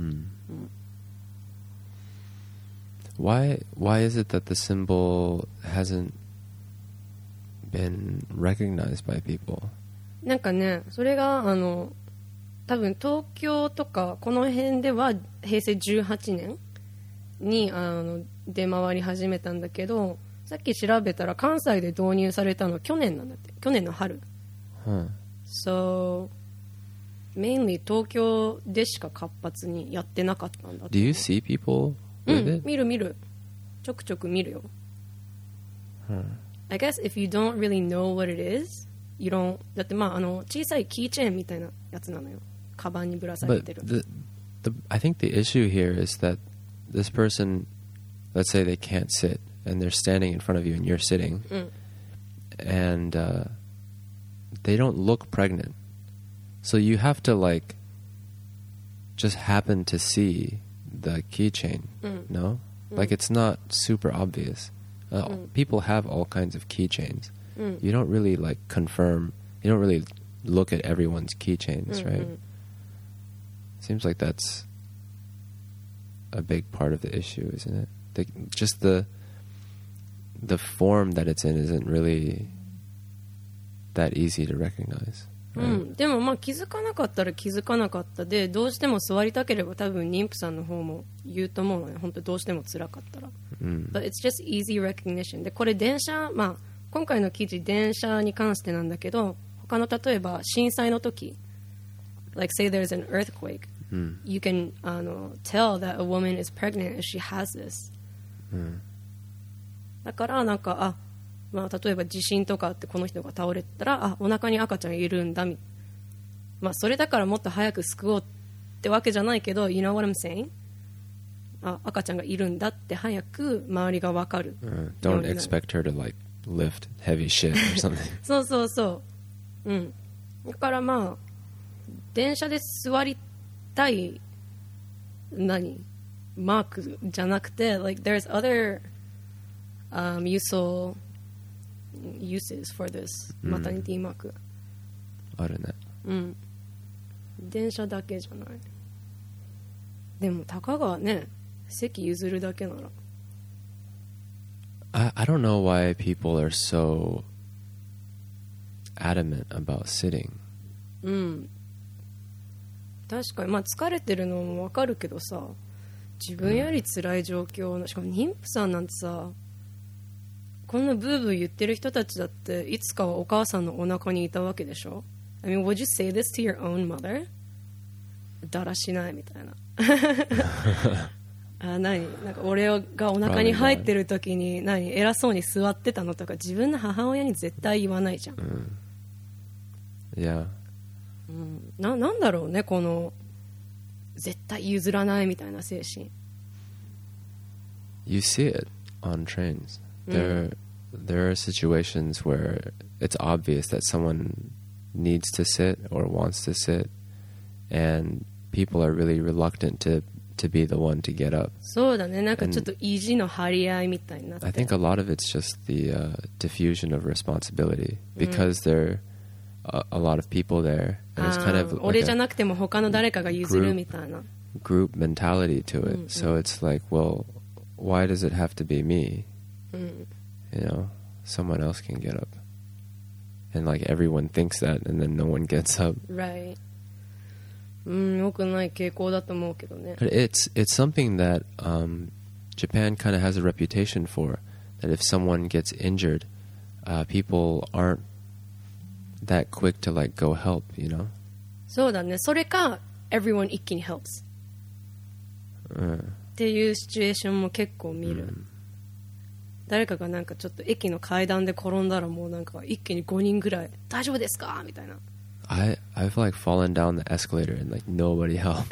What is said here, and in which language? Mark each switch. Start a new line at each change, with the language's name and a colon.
English: うん、Why is it that the symbol hasn't been recognized by people?
Japanese: なんかね、それが多分東京とかこの辺では平成18年に出回り始めたんだけど、さっき調べたら関西で導入されたの去年なんだって、去年の春。 Huh.
English: So mainly
Japanese: 東京でしか活発にやってなかったんだって。
English: Do you see people?
Japanese: うん、見る見る、ちょくちょく見るよ。 Huh.
English: I guess if you don't really know what it is, you don't.
Japanese: だってまあ小さいキーチェーンみたいなやつなのよ、カバンにぶら下げてる。
English: But I think the issue here is that this person, let's say they can't sit and they're standing in front of you and you're sitting,、うん、 and they don't look pregnant, so you have to like just happen to see. The keychain,、 mm. no, like、mm. it's not super obvious.、Mm. People have all kinds of keychains.、Mm. You don't really like confirm. You don't really look at everyone's keychains,、mm-hmm. right? Seems like that's a big part of the issue, isn't it? The form that it's in isn't really that easy to recognize.
Japanese: うん、でもまあ気づかなかったら気づかなかったで、どうしても座りたければ多分妊婦さんの方も言うと思うのね、本当どうしても辛かったら、うん、
English: But it's just easy recognition
Japanese: で、これ電車、まあ、今回の記事電車に関してなんだけど、他の例えば震災の時
English: Like say there's an earthquake、うん、 You can tell that a woman is pregnant if she has this、うん、
Japanese: だからなんかあまあ、例えば地震とかあってこの人が倒れたらあお腹に赤ちゃんいるんだみ、まあ、それだからもっと早く救おうってわけじゃないけど
English: You know what I'm saying?
Japanese: あ赤ちゃんがいるんだって早く周りが分かる、
English: Don't expect her to like lift heavy shit or something
Japanese: そうそうそう、うん、だからまあ電車で座りたい何マークじゃなくて
English: Like there's other
Japanese: 輸送
English: uses for this、
Japanese: うん、マタニティマークあるね、うん、電車だけじゃない。でもたかがね席譲るだけなら
English: I don't know why people are so adamant about sitting、
Japanese: うん、確かに、まあ、疲れてるのもわかるけどさ自分より辛い状況の、うん、しかも妊婦さんなんてさこんなブーブー言ってる人たちだっていつかはお母さんのお腹にいたわけでしょ。
English: I mean, would you say this to your own mother?
Japanese: だらしないみたいな。あ、何？なんか俺がお腹に入ってる時に何偉そうに座ってたのとか自分の母親に絶対言わないじゃん。
English: Yeah.
Japanese: なんだろうねこの絶対譲らないみたいな精神。
English: You see it on trains. There are situations where it's obvious that someone needs to sit or wants to sit, and people are really reluctant to be the one to get up.
Japanese: そうだね、なんかちょっと意地の張り合いみたいになって。
English: I think a lot of it's just the diffusion of responsibility because、うん、they're a lot of people there. And it's kind of like
Japanese: 俺じゃなくても他の誰かが譲るみたいな
English: group mentality to it. Mm-hmm. So it's like, well, why does it have to be me? Mm-hmm. You know, someone else can get up. And like everyone thinks that and then no one gets up. Right.
Japanese: 良くない傾向だと思うけどね。
English: But it's something that、Japan kind of has a reputation for, that if someone gets injured、people aren't that quick to like go help, you know?
Japanese: そうだね。それか
English: everyone
Japanese: 一気に
English: helps、
Japanese: っていうシチュエーションも結構見る、誰かがなんかちょっと駅の階段で転んだらもうなんか一気に5人ぐらい大丈夫ですかみたいな。
English: I've like fallen down the escalator and like nobody helped.